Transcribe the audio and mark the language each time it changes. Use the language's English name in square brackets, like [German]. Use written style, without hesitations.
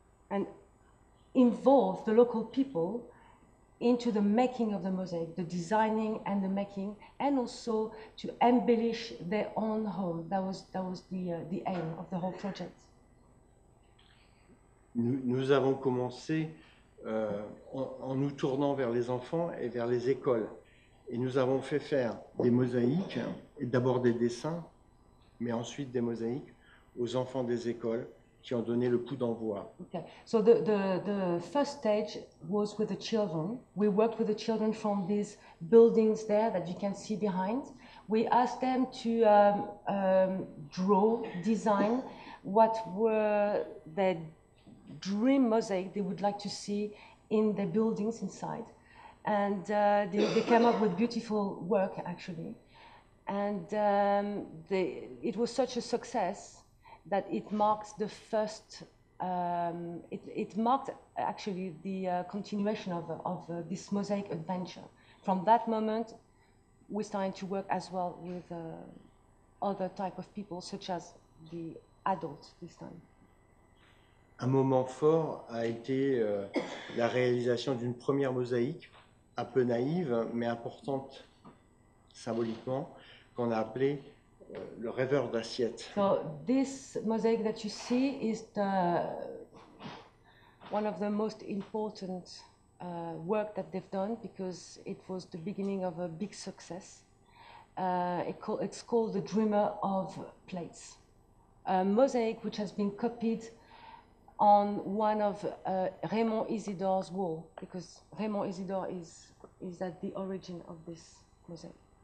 [English] And involve the local people into the making of the mosaic, the designing and the making, and also to embellish their own home. That was the aim of the whole project. [French] Nous avons commencé en nous tournant vers les enfants et vers les écoles. Et nous avons fait faire des mosaïques, et d'abord des dessins, mais ensuite des mosaïques, aux enfants des écoles qui ont donné le coup d'envoi. [English] Okay. So the first stage was with the children. We worked with the children from these buildings there that you can see behind. We asked them to draw, design what were their dream mosaic they would like to see in the buildings inside. And they came up with beautiful work actually. And it was such a success that it marked the first, it marked actually the continuation of this mosaic adventure. From that moment, we started to work as well with other type of people, such as the adults this time. [French] Un moment fort a été la réalisation d'une première mosaïque, un peu naïve, mais importante symboliquement, qu'on a appelée le rêveur d'assiette. [English] So this mosaic that you see is the one of the most important work that they've done because it was the beginning of a big success. It's called the Dreamer of Plates, a mosaic which has been copied on one of Raymond Isidore's wall because Raymond Isidore is at the origin of this mosaic.